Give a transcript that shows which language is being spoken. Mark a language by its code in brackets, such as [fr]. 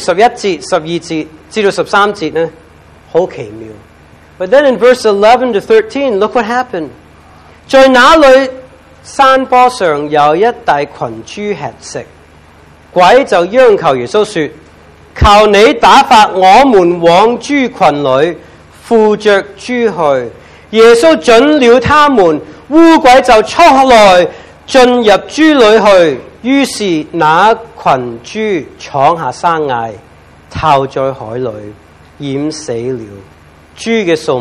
[zh] 但这里跟着11节、12节至13节呢, 很奇妙。 [en] But then in verse 11 to 13, look what happened. [zh] 在那里山坡上有一大群猪吃食, 鬼就央求耶稣说, 求你打发我们往猪群里, 扶着猪去, 耶稣准了他们, 乌鬼就出来, 进入猪里去, 于是那群猪闯下山崖, 逃在海里, 淹死了。